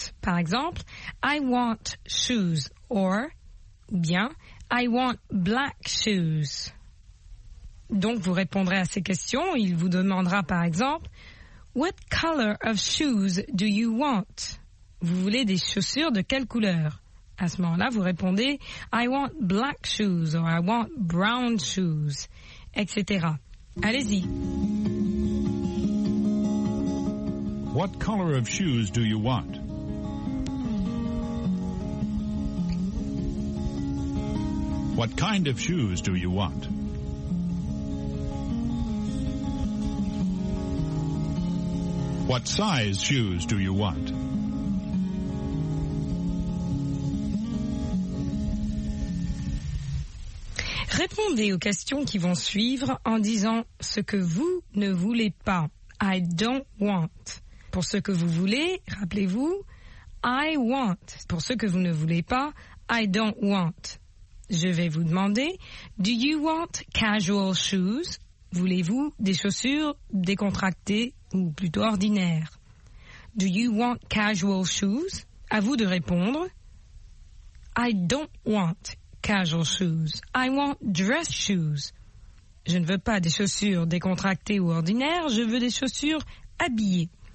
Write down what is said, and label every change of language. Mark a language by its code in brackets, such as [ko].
[fr] Par exemple, [en] I want shoes. Or, [fr] ou bien, [en] I want black shoes. [fr] Donc, vous répondrez à ces questions. Il vous demandera, par exemple, [en] What color of shoes do you want? [fr] Vous voulez des chaussures de quelle couleur? À ce moment-là, vous répondez « [en] I want black shoes [fr] » or « [en] I want brown shoes [fr] », etc. Allez-y. [en] What color of shoes do you want? What kind of shoes do you want? What size shoes do you want? [fr] Répondez aux questions qui vont suivre en disant ce que vous ne voulez pas. [en] I don't want. [fr] Pour ce que vous voulez, rappelez-vous, [en] I want. [fr] Pour ce que vous ne voulez pas, [en] I don't want. [fr] Je vais vous demander, [en] do you want casual shoes? [fr] Voulez-vous des chaussures décontractées ou plutôt ordinaires? [en] Do you want casual shoes? [fr] À vous de répondre, [en] I don't want. Casual shoes. I want dress shoes. [fr] Je ne veux pas des chaussures décontractées ou ordinaires, je veux des chaussures habillées.